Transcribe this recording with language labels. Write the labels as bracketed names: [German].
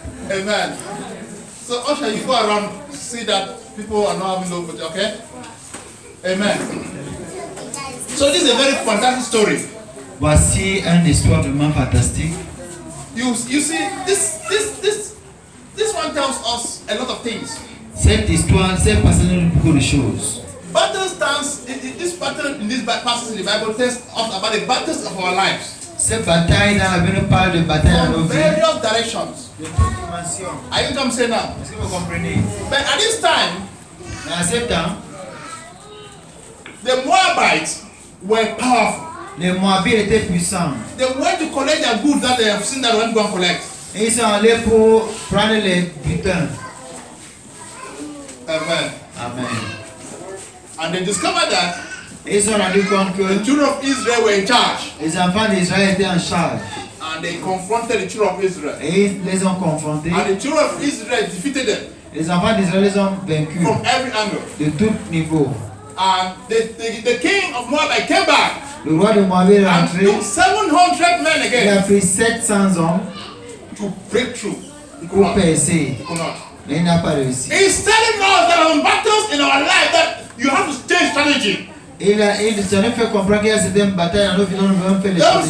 [English] Amen. So Usher, you go around, see that people are not having no voltage, okay? Amen. So this is a very fantastic story. [French] Voici un histoire vraiment fantastique. [English] You see, this one tells us a lot of things. [French] Cette histoire, cette passage nous dit beaucoup de choses. [English] Battle stands in this pattern in this passage in the Bible tells us about the battles of our lives. [French] Cette bataille dans la Bible parle de bataille dans nos vies. [English] From various directions. [French] De toutes dimensions. [English] Are you what I'm saying now? [French] Est-ce que vous comprenez? [English] But at this time, [French] à cette temps, [English] the Moabites were powerful. [French] Les Moabites étaient puissants. [English] They went to collect their goods that they have seen that they went to go and collect. [French] Et ils sont allés pour prendre les butins. Amen. Amen. [English] And they discovered that [French] ils ont rendu compte que [English] the children of Israel were in charge. [French] Les enfants d'Israël étaient en charge. [English] And they confronted the children of Israel. [French] Et ils les ont confrontés. [English] And the children of Israel defeated them. [French] Les enfants d'Israël les ont vaincus. [English] From every angle. [French] De tout niveau. [English] And the king of Moab came back. [French] Le roi de Moab est rentré. [English] And 700 men again. [French] Il a pris 700 hommes. [English] To break through. [French] Pour percer. [English] Not. [French] Mais il n'a pas réussi. [English] He's telling us that on battles in our life that you have to stay strategic. [French] Il a nous fait comprendre qu'il y a certaines batailles dans nos vies, nous devons faire les